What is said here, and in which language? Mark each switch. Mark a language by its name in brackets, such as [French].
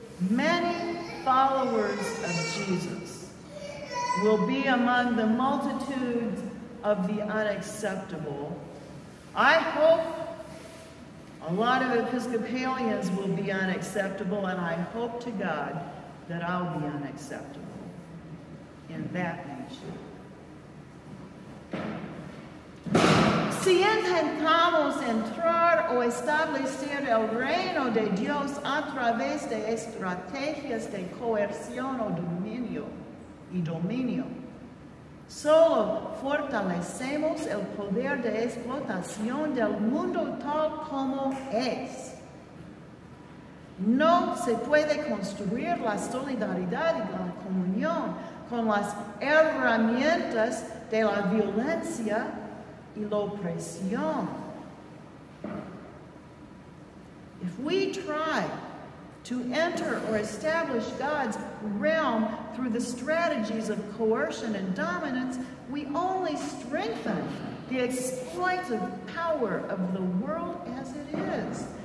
[English] Many followers of Jesus will be among the multitudes of the unacceptable. I hope a lot of Episcopalians will be unacceptable, and I hope to God that I'll be unacceptable in that nation. [Spanish] Si intentamos entrar o establecer el reino de Dios a través de estrategias de coerción o dominio y dominio, solo fortalecemos el poder de explotación del mundo tal como es. No se puede construir la solidaridad y la comunión con las herramientas de la violencia y la opresión. [English] If we try to enter or establish God's realm through the strategies of coercion and dominance, we only strengthen the exploitive power of the world as it is.